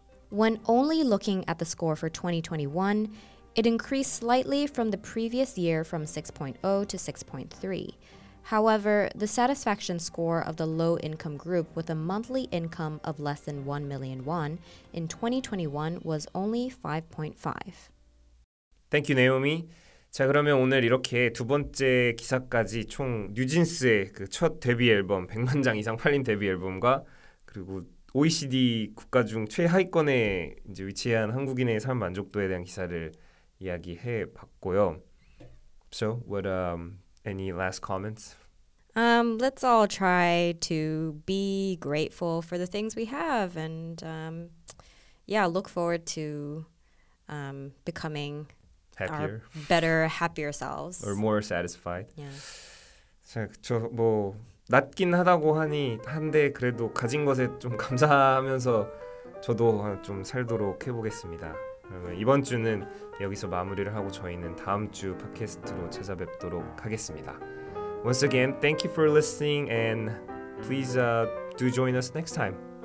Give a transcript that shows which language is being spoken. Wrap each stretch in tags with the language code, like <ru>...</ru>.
<en>When only looking at the score for 2021, it increased slightly from the previous year from 6.0 to 6.3. However, the satisfaction score of the low-income group with a monthly income of less than 1 million won in 2021 was only 5.5. Thank you, Naomi.</en> <ko>자, 그러면 오늘 이렇게 두 번째 기사까지 총 뉴진스의 그 첫 데뷔 앨범, 100만 장 이상 팔린 데뷔 앨범과 그리고 OECD 국가 중 최하위권에 이제 위치한 한국인의 삶 만족도에 대한 기사를 이야기해 봤고요.</ko> <en>So, what any last comments? Let's all try to be grateful for the things we have and look forward to becoming happier, our better, happier selves or more satisfied. Yeah.</en> <ko>저 뭐 낮긴 하다고 하니 한데 그래도 가진 것에 좀 감사하면서 저도 좀 살도록 해 보겠습니다. 그러면 이번 주는 여기서 마무리를 하고 저희는 다음 주 팟캐스트로 찾아뵙도록 하겠습니다.</ko> <en>Once again, thank you for listening and please do join us next time.</en>